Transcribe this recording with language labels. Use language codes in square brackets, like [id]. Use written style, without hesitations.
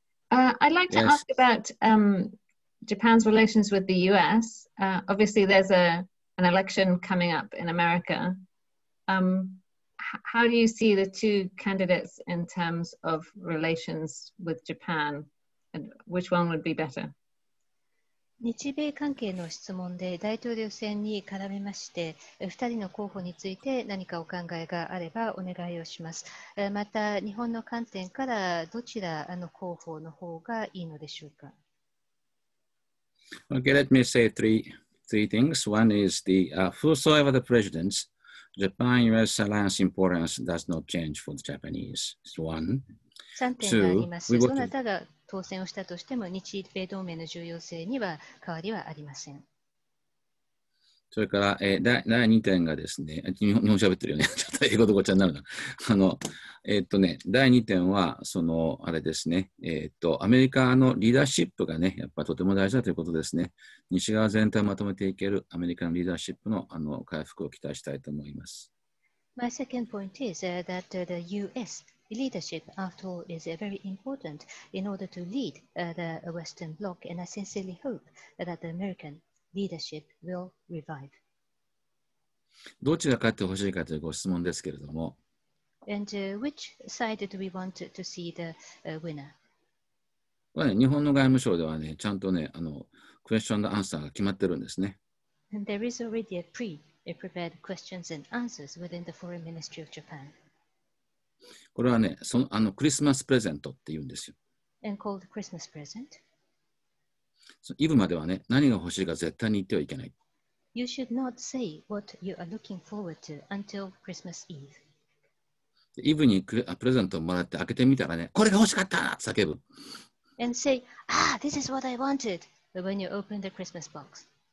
[en] I'd like to ask about Japan's relations with the US. Obviously, there's an election coming up in America. How do you see the two candidates in terms of relations with Japan, and which one would be better? [ja] 日米関係の質問で大統領選に絡みまして、2人の候補について何かお考えがあればお願いをします。また日本の観点からどちらの候補の方がいいのでしょうか。 [en] Okay, let me say three things. One is the whosoever the president. Japan-US alliance importance does not change for the Japanese. It's one. [ja] 3点があります。どなたが当選をしたとしても、日米同盟の重要性には変わりはありません。それから、第2点がですね、日本喋ってるよね。ちょっと英語とごちゃになるな。第2点は、その、あれですね、アメリカのリーダーシップがね、やっぱとても大事だということですね。西側全体をまとめていけるアメリカのリーダーシップの、回復を期待したいと思います。 [en] My second point is that the US leadership, after all, is very important in order to lead the Western bloc, and I sincerely hope that the American leadership will revive. [ja] どちらかってほしいかというご質問ですけれども、 [en] And which side do we want to see the winner? [ja] これ、ね、日本の外務省ではね、ちゃんとね、クエスチョンのアンサーが決まってるんですね。 [en] And there is already a pre-prepared questions and answers within the Foreign Ministry of Japan. [ja] これはね、そのクリスマスプレゼントって言うんですよ。 [en] And called Christmas present. [ja] イブまではね、何が欲しいか絶対に言ってはいけない。 [en] You should not say what you are looking forward to until Christmas Eve. [ja] イブにプレゼントをもらって開けてみたらね、これが欲しかったと叫ぶ。 [en] And say, ah, this is what I wanted when you open the Christmas box.